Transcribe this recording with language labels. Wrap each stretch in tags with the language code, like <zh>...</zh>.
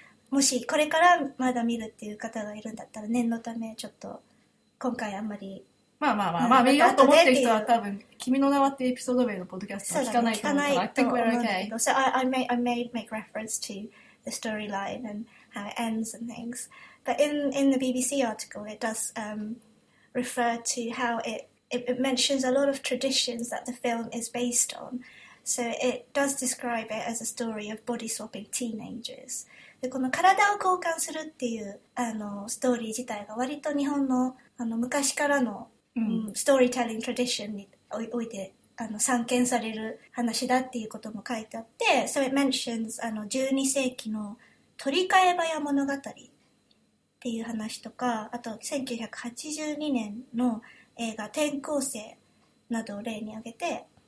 <ja>もしこれからまだ見るっていう方がいるんだったら、念のためちょっと今回あんまり、まあ見ようと思ってる人は多分君の名はってエピソード名のポッドキャストは聞かないと思うから、ね、聞かないと思うんだけど、</ja> <en>So I may make reference toThe storyline and how it ends and things, but in the BBC article, it does refer to how it mentions a lot of traditions that the film is based on. So it does describe it as a story of body swapping teenagers.</en> <ja>で、この体を交換するっていうストーリー自体が割と日本の昔からの、ストーリーテリングトラディションにおいて参見される話だっていうことも書いてあって、</ja> <en>So it mentions</en> <ja>12世紀の取り替え場や物語っていう話とか、あと1982年の映画転校生などを例に挙げて、</ja>